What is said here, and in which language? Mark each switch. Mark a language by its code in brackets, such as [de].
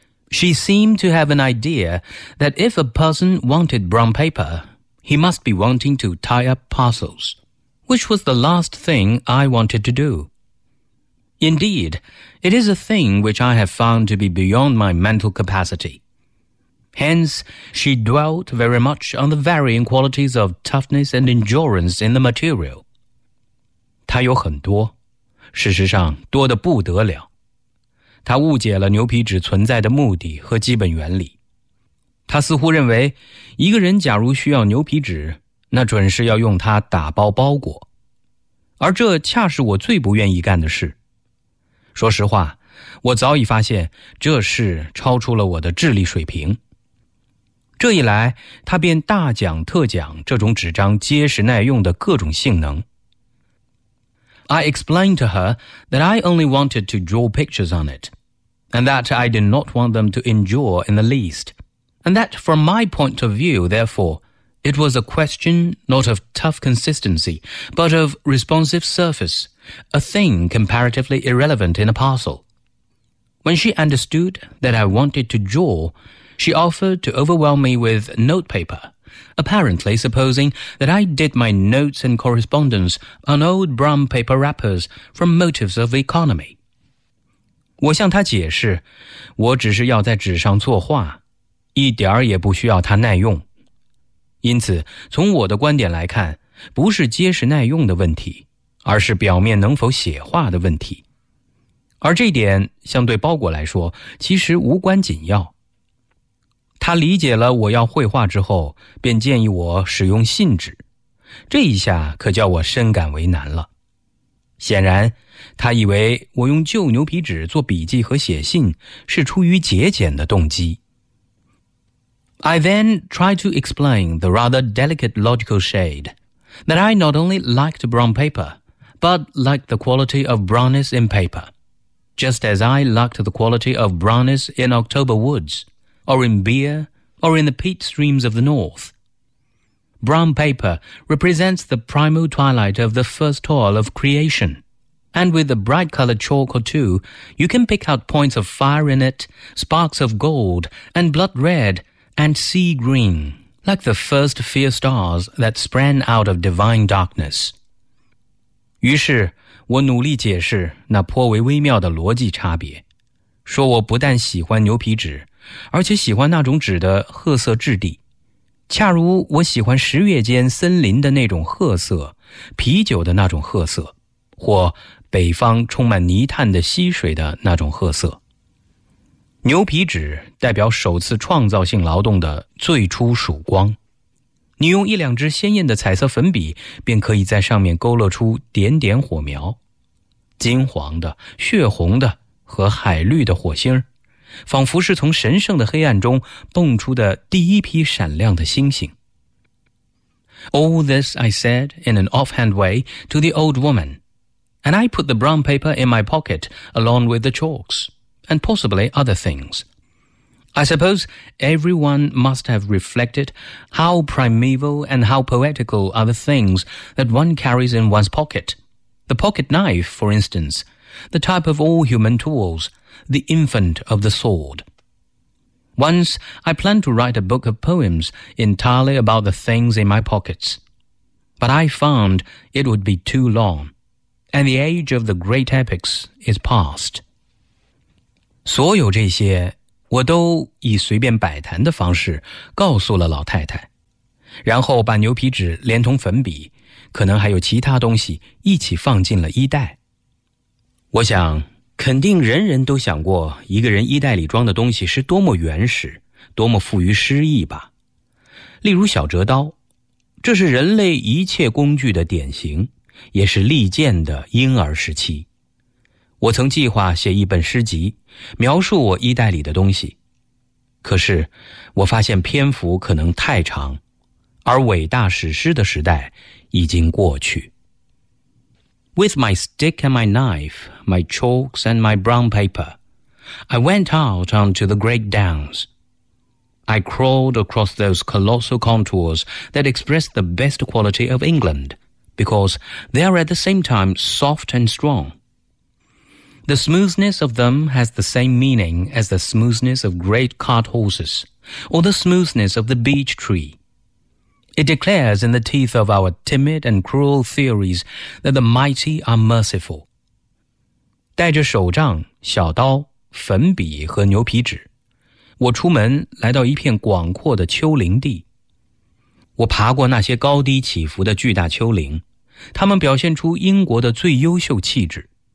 [en] She seemed to have an idea that if a person wanted brown paper,He must be wanting to tie up parcels, which was the last thing I wanted to do. Indeed, it is a thing which I have found to be beyond my mental capacity. Hence, she dwelt very much on the varying qualities of toughness and endurance in the material. [zh] 他有很多，事实上多得不得了。他误解了牛皮纸存在的目的和基本原理。他似乎认为一个人假如需要牛皮纸，那准是要用它打包包裹，而这恰是我最不愿意干的事。说实话，我早已发现这事超出了我的智力水平。这一来，他便大讲特讲这种纸张结实耐用的各种性能。 [en] I explained to her that I only wanted to draw pictures on it, and that I did not want them to endure in the leastAnd that from my point of view, therefore, it was a question not of tough consistency, but of responsive surface, a thing comparatively irrelevant in a parcel. When she understood that I wanted to draw, she offered to overwhelm me with notepaper, apparently supposing that I did my notes and correspondence on old brown paper wrappers from motives of economy. [zh] 我向她解释，我只是要在纸上作画。一点儿也不需要它耐用，因此从我的观点来看，不是结实耐用的问题，而是表面能否写画的问题。而这点相对包裹来说其实无关紧要。他理解了我要绘画之后，便建议我使用信纸，这一下可叫我深感为难了。显然他以为我用旧牛皮纸做笔记和写信是出于节俭的动机。 [en] I then tried to explain the rather delicate logical shade, that I not only liked brown paper, but liked the quality of brownness in paper, just as I liked the quality of brownness in October woods, or in beer, or in the peat streams of the north. Brown paper represents the primal twilight of the first toil of creation, and with a bright colored chalk or two, you can pick out points of fire in it, sparks of gold, and blood red, and sea green. Like the first fierce stars that sprang out of divine darkness. [zh] 于是我努力解释那颇为微妙的逻辑差别，说我不但喜欢牛皮纸，而且喜欢那种纸的褐色质地，恰如我喜欢十月间森林的那种褐色，啤酒的那种褐色，或北方充满泥炭的溪水的那种褐色。牛皮纸代表首次创造性劳动的最初曙光。你用一两支鲜艳的彩色粉笔便可以在上面勾勒出点点火苗。金黄的、血红的和海绿的火星，仿佛是从神圣的黑暗中蹦出的第一批闪亮的星星。 [en] All this I said in an offhand way to the old woman, and I put the brown paper in my pocket along with the chalks. And possibly other things. I suppose everyone must have reflected how primeval and how poetical are the things that one carries in one's pocket. The pocket knife, for instance, the type of all human tools, the infant of the sword. Once I planned to write a book of poems entirely about the things in my pockets, but I found it would be too long, and the age of the great epics is past. [zh] 所有这些我都以随便摆谈的方式告诉了老太太，然后把牛皮纸连同粉笔可能还有其他东西一起放进了衣袋。我想肯定人人都想过一个人衣袋里装的东西是多么原始，多么富于诗意吧。例如小折刀，这是人类一切工具的典型，也是利剑的婴儿时期。我曾计划写一本诗集，描述我衣袋里的东西，可是我发现篇幅可能太长，而伟大史诗的时代已经过去。 [en] With my stick and my knife, my chalks and my brown paper, I went out onto the great downs. I crawled across those colossal contours that express the best quality of England, because they are at the same time soft and strong. The smoothness of them has the same meaning as the smoothness of great cart horses, or the smoothness of the beech tree. It declares in the teeth of our timid and cruel theories that the mighty are merciful. [zh] 带着手杖、小刀、粉笔和牛皮纸，我出门来到一片广阔的丘陵地。我爬过那些高低起伏的巨大丘陵，它们表现出英国的最优秀气质。